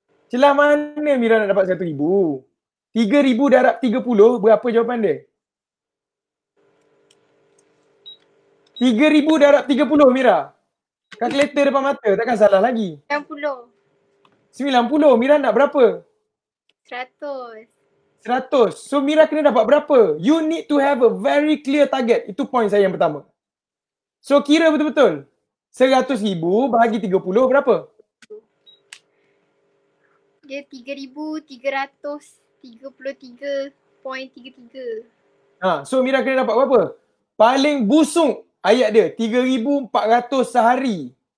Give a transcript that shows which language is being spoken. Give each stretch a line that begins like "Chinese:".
Malay: Celah mana Mira nak dapat 100,000? 3,000 darab 30, berapa jawapan dia? 3,000 darab 30 Mira? Calculator depan mata, takkan salah lagi. 90. Mira nak berapa? 100. So Mira kena dapat berapa?
English: You need to have a very clear target.
Malay: Itu point saya yang pertama. So kira betul-betul. 100,000 bahagi 30 berapa? Dia 3,333.33. So Mira kena dapat berapa? Paling busuk ayat dia 3,400 sehari.